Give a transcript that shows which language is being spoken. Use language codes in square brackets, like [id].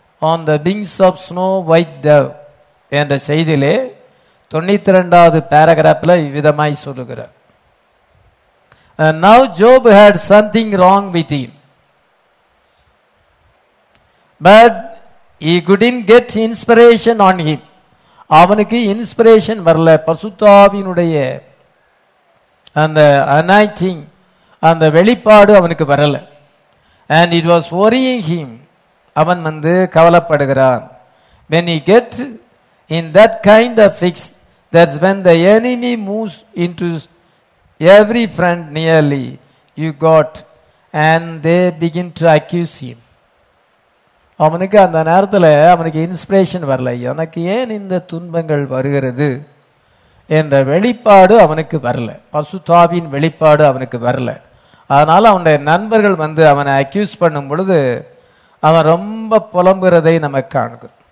[en] on the wings of snow white dove [ta] என்ற செய்தியிலே 92 இவ்விதமாய் சொல்லுகிறார். [en] Now Job had something wrong with him, but he couldn't get inspiration on him. [ta] அவனுக்கு inspiration வரல. பரிசுத்தாவினுடைய அந்த anointing, அந்த வெளிப்பாடு அவனுக்கு வரல. [en] And it was worrying him. [ta] அவன் வந்து கவலைப்படுகிறான். [en] When he get in that kind of fix, that's when the enemy moves into every friend nearly you got and they begin to accuse him. [ta] அவனுக்கு அந்த நேரத்தில் அவனுக்கு இன்ஸ்பிரேஷன் வரல. எனக்கு ஏன் இந்த துன்பங்கள் வருகிறது என்ற வெளிப்பாடு அவனுக்கு வரல. பசுதாவின் வெளிப்பாடு அவனுக்கு வரல. அதனால அவனுடைய நண்பர்கள் வந்து அவனை அக்யூஸ் பண்ணும் பொழுது அவன் ரொம்ப புலம்புறதை நம்ம காணுது.